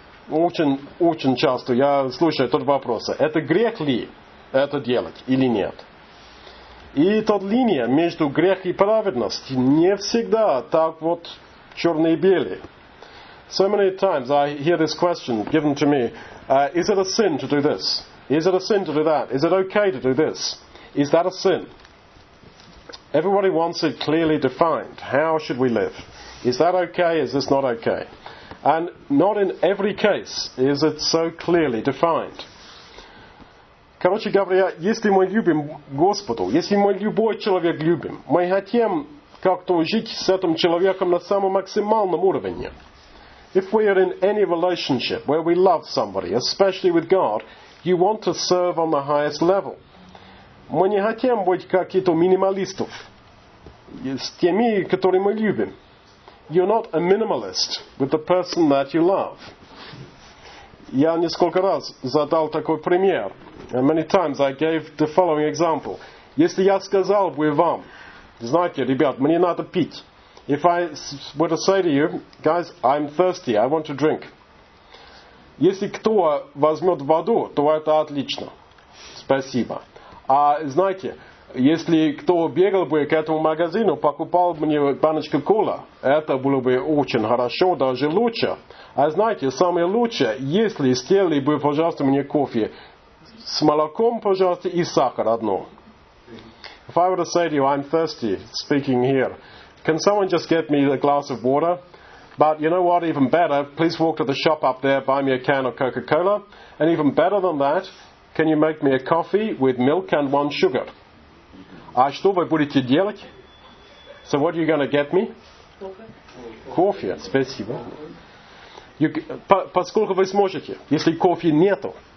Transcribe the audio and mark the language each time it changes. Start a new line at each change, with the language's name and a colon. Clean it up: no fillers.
Russian: Очень часто я слушаю этот вопрос, это грех ли это делать или нет? И эта линия между грех и праведность не всегда так вот черно-белое.
English: So many times I hear this question given to me, is it a sin to do this? Is it a sin to do that? Is it okay to do this? Is that a sin? Everybody wants it clearly defined. How should we live? Is that okay? Is this not okay? And not in every case is it so clearly defined.
Russian: Короче говоря, если мы любим Господу, если мы любой человек любим, мы хотим как-то жить с этим человеком на самом максимальном уровне.
English: If we are in any relationship where we love somebody, especially with God, you want to serve on the highest level.
Russian: Мы не хотим быть какие-то минималистов с теми, которые мы любим.
English: You're not a minimalist with the person that you love.
Russian: Я несколько раз задал такой пример.
English: Many times I gave the following example.
Russian: Если я сказал бы вам, знаете, ребят, мне надо пить.
English: If I were to say to you, guys, I'm thirsty, I want to drink.
Russian: Если кто возьмет воду, то это отлично. Спасибо. А знаете, если кто бегал бы к этому магазину, покупал бы мне баночку кола, это было бы очень хорошо, даже лучше. А знаете, самое лучшее, если сделали бы, пожалуйста, мне кофе с молоком, пожалуйста, и сахар одно.
English: If I were to say to you, I'm thirsty, speaking here, can someone just get me a glass of water? But you know what, even better, please walk to the shop up there, buy me a can of Coca-Cola. And even better than that, can you make me a coffee with milk and one sugar?
Russian: А что вы будете делать?
English: So what are you going to get me?
Russian: Кофе. Спасибо. Поскольку вы сможете, если кофе нету.